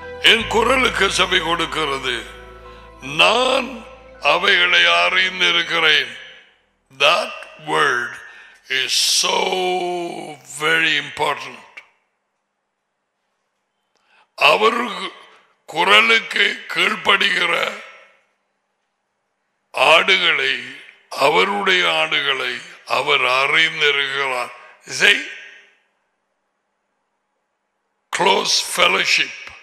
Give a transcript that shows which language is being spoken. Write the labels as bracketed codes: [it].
[ta] என் குரலுக்கு செவி கொடுக்கிறது, நான் அவைகளை அறிந்திருக்கிறேன். [en] That word is so very important. [ta] அவர் குரலுக்கு கீழ்ப்படுகிற ஆடுகளை, அவருடைய ஆடுகளை அவர் அறிந்திருக்கிறார். [en] See? Close fellowship.